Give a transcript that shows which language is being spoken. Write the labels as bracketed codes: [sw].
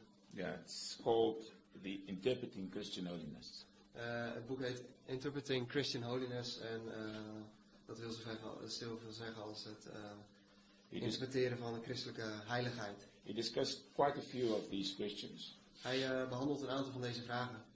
[en] Ja, it's called The Interpreting Christian Holiness. [nl] Het boek heet Interpreting Christian Holiness. En dat wil zoveel zeggen als het interpreteren van de christelijke heiligheid. [en] He discussed quite a few of these questions. [nl] Hij behandelt een aantal van deze vragen.